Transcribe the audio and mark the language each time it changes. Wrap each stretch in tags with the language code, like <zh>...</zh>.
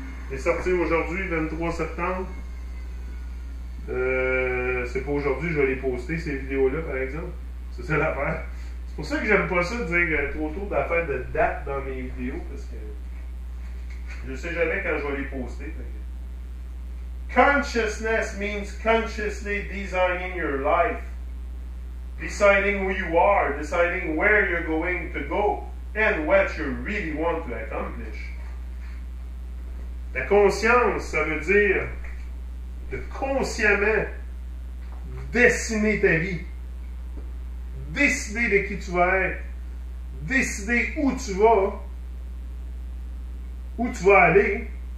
<fr>est sorti aujourd'hui, 23 septembre. C'est pas aujourd'hui que je vais les poster, ces vidéos-là, par exemple. C'est ça l'affaire. C'est pour ça que j'aime pas ça de dire trop tôt d'affaires de date dans mes vidéos, parce que je sais jamais quand je vais les poster.</fr> <en>Consciousness means consciously designing your life. Deciding who you are, deciding where you're going to go, and what you really want to accomplish.</en> <fr>La conscience, ça veut dire de consciemment dessiner ta vie. Décider de qui tu vas être. Décider où tu vas. Où tu vas aller.</fr>